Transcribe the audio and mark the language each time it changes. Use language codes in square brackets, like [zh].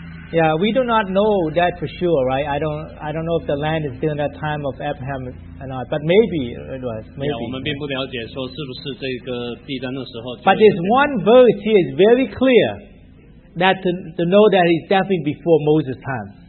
[en] Yeah, we do not know that for sure, right? I don't know if the land is during that time of Abraham or not, but maybe it was. Maybe. [zh] Yeah, 我们并不了解说是不是这个地在那时候。 [en] But there's one verse here is very clear that to know that it's definitely before Moses' time.